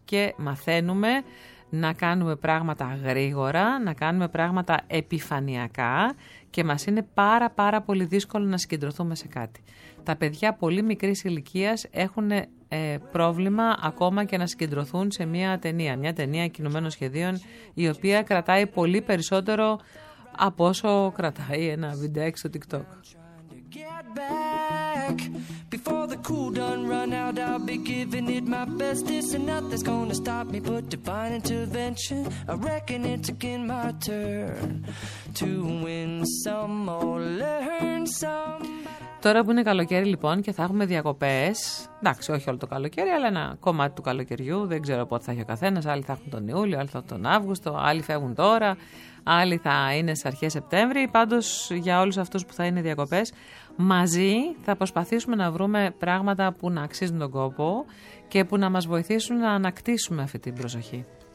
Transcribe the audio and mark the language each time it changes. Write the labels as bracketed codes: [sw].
[el] Και μαθαίνουμε να κάνουμε πράγματα γρήγορα, να κάνουμε πράγματα επιφανειακά και μας είναι πάρα πολύ δύσκολο να συγκεντρωθούμε σε κάτι. Τα παιδιά πολύ μικρής ηλικίας έχουν πρόβλημα ακόμα και να συγκεντρωθούν σε μια ταινία κινουμένων σχεδίων η οποία κρατάει πολύ περισσότερο από όσο κρατάει ένα βιντεάκι στο TikTok. [en] Get back before the cool done run out. I'll be giving it my best. This and nothing's gonna stop me but divine intervention. I reckon it's again my turn to win some or learn some. [el] Τώρα που είναι καλοκαίρι λοιπόν και θα έχουμε διακοπές, εντάξει όχι όλο το καλοκαίρι αλλά ένα κομμάτι του καλοκαιριού, δεν ξέρω πότε θα έχει ο καθένας, άλλοι θα έχουν τον Ιούλιο, άλλοι θα έχουν τον Αύγουστο, άλλοι φεύγουν τώρα, άλλοι θα είναι στις αρχές Σεπτέμβρη, πάντως για όλους αυτούς που θα είναι διακοπές, μαζί θα προσπαθήσουμε να βρούμε πράγματα που να αξίζουν τον κόπο και που να μας βοηθήσουν να ανακτήσουμε αυτή την προσοχή.